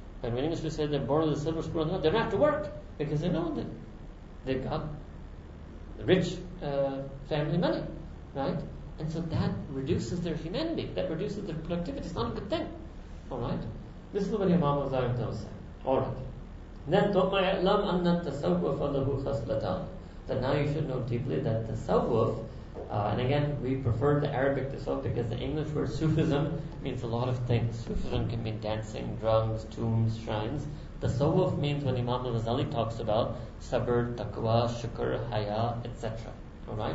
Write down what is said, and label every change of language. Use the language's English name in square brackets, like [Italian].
[English] And when English would say they're born with a silver spoon, no, they don't have to work because they know that they've got rich family money, right? And so that reduces their humanity, that reduces their productivity. It's not a good thing, all right? This is what your mama's eye does say. All right. [Arabic] Then, ثُمَّ يَعْلَمْ أَنَّ التَّصَوُّفَ لَهُ خَسْلَتَانِ. [English] That now you should know deeply that the tasawwuf, and again, we prefer the Arabic tasawwuf because the English word Sufism means a lot of things. Sufism can mean dancing, drums, tombs, shrines. The tasawwuf means what Imam al-Ghazali talks about, sabr, taqwa, shukr, haya, etc. Alright?